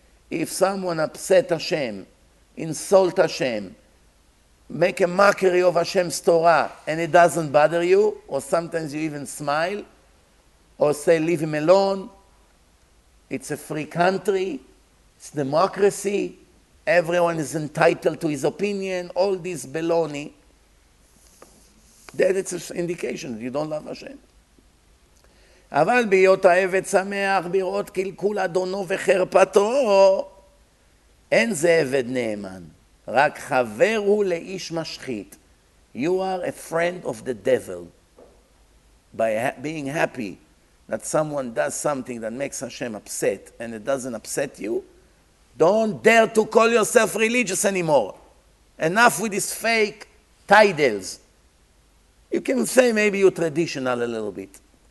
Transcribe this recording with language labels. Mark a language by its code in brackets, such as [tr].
[en] If someone upset Hashem, insult Hashem, make a mockery of Hashem's Torah and it doesn't bother you, or sometimes you even smile, or say, leave him alone, it's a free country, it's democracy, everyone is entitled to his opinion, all this baloney, that it's an indication that you don't love Hashem. [he] אבל ביות העבד שמח בראות קלקול אדונו וחרפתו, אין זה עבד נאמן, רק חבר הוא לאיש משחית. [en] You are a friend of the devil. By being happy that someone does something that makes Hashem upset and it doesn't upset you, don't dare to call yourself religious anymore. Enough with these fake titles. You can say maybe you're traditional a little bit.